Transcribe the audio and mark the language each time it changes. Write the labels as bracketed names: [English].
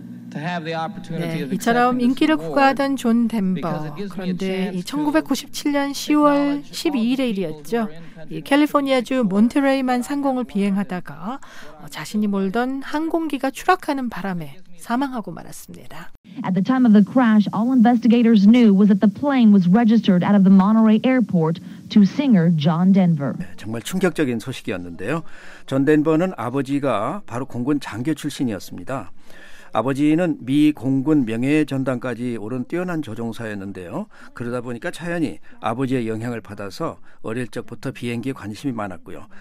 [Korean] 네, 이처럼 인기를 구가하던 존 덴버. 그런데 이 1997년 10월 12일의 일이었죠. 이 캘리포니아주 몬테레이만 상공을 비행하다가 자신이 몰던 항공기가 추락하는 바람에 사망하고 말았습니다. [English] At the time of the crash, all investigators knew was that the plane was registered out of the Monterey Airport to singer John Denver. [Korean] 네, 정말 충격적인 소식이었는데요. 존 덴버는 아버지가 바로 공군 장교 출신이었습니다. 아버지는 미 공군 명예의 전당까지 오른 뛰어난 조종사였는데요. 그러다 보니까 자연히 아버지의 영향을 받아서 어릴 적부터 비행기에 관심이 많았고요.